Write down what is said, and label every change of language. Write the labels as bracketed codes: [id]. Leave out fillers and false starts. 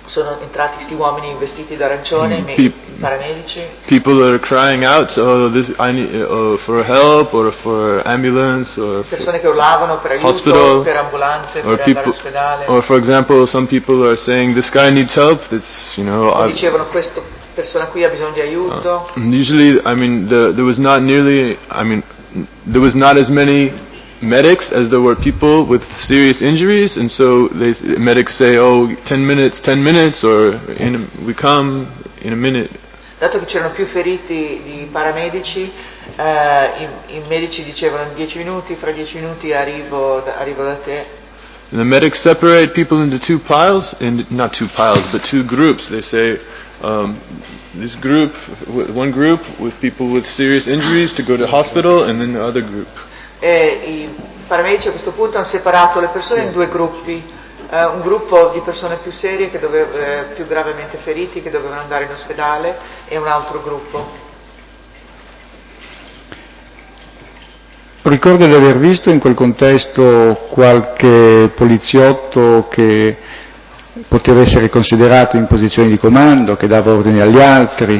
[it] Sono entrati questi uomini vestiti d'arancione, paramedici. [en] People that are crying out, oh, this I need for help or for ambulance or [it] persone che urlavano per aiuto, [en] hospital, [it] per ambulanze, per [en] people, [it] andare all'ospedale. [en] Or for example, some people are saying this guy needs help. That's you know. [it] O dicevano questa persona qui ha bisogno di aiuto. [en] Usually, I mean, there was not nearly. I mean, there was not as many medics as there were people with serious injuries, and so they medics say, oh, 10 minutes, or in a, we come in a minute. [it] Dato che c'erano più feriti di paramedici, i medici dicevano 10 minuti, fra 10 minuti arrivo da te. [en] And the medics separate people into two piles, and not two piles, but two groups. They say, this group, one group with people with serious injuries to go to hospital, and then the other group. [it] E i paramedici a questo punto hanno separato le persone in due gruppi, un gruppo di persone più serie che dovevano più gravemente feriti che dovevano andare in ospedale e un altro gruppo. Ricordo di aver visto in quel contesto qualche poliziotto che poteva essere considerato in posizione di comando, che dava ordini agli altri.